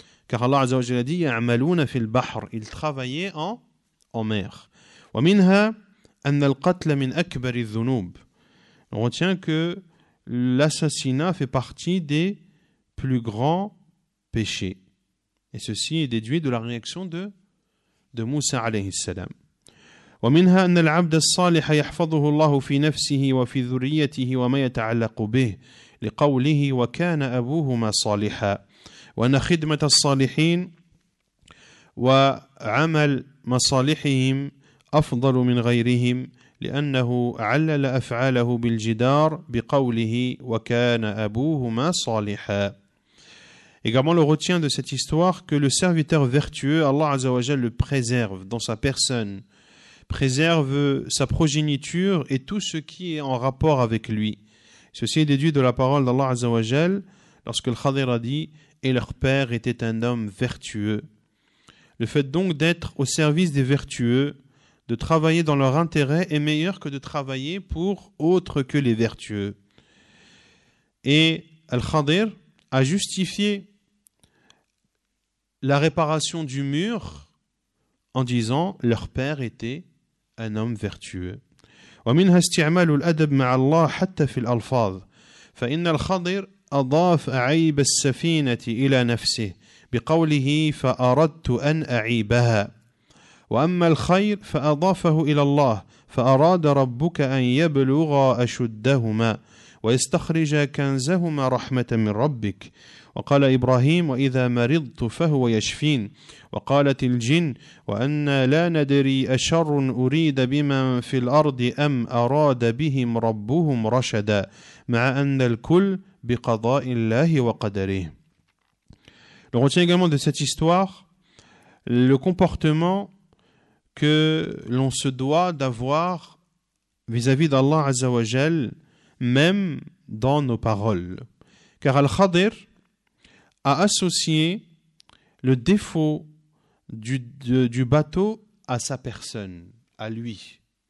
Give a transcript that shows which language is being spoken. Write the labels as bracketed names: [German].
[French] Car Allah Azza wa Jalla a dit, [Arabic] يَعْمَلُونَ فِي الْبَحْرِ, [French] ils travaillaient en mer. [Arabic] وَمِنْهَا أَنَّ الْقَتْلَ مِنْ أَكْبَرِ الذُّنُوبِ. [French] On retient que l'assassinat fait partie des plus grands péchés. Et ceci est déduit de la réaction de Moussa alayhi salam. [Arabic] ومنها أن العبد الصالح يحفظه الله في نفسه وفي ذريته وما يتعلق به لقوله وكان أبوهما صالحا وأن خدمة الصالحين وعمل مصالحهم أفضل من غيرهم لأنه علل أفعاله بالجدار بقوله وكان أبوهما صالحا. [French] Également, on retient de cette histoire que le serviteur vertueux, Allah Azza wa Jalla le préserve dans sa personne, préserve sa progéniture et tout ce qui est en rapport avec lui. Ceci est déduit de la parole d'Allah Azza wa Jal lorsque le Khadir a dit « Et leur père était un homme vertueux ». Le fait donc d'être au service des vertueux, de travailler dans leur intérêt, est meilleur que de travailler pour autre que les vertueux. Et le Khadir a justifié la réparation du mur en disant « Leur père était un homme vertueux. » [Arabic] ومنها استعمال الأدب مع الله حتى في الألفاظ. فإن الخضر أضاف عيب السفينة إلى نفسه بقوله فأردت أن أعيبها. وأما الخير فأضافه إلى الله فأراد ربك أن يبلغ أشدهما ويستخرج كنزهما رحمة من ربك. وقال إبراهيم وإذا مرضت فهو يشفين وقالت الجن وأنا لا ندري أشر أريد بمن في الأرض أم أراد بهم ربهم رشدا مع أن الكل بقضاء الله وقدره. [French] On retient également de cette histoire le comportement que l'on se doit d'avoir vis-à-vis d'Allah Azza wa Jal même dans nos paroles. Car Al-Khadir a associé le défaut du bateau à sa personne, à lui.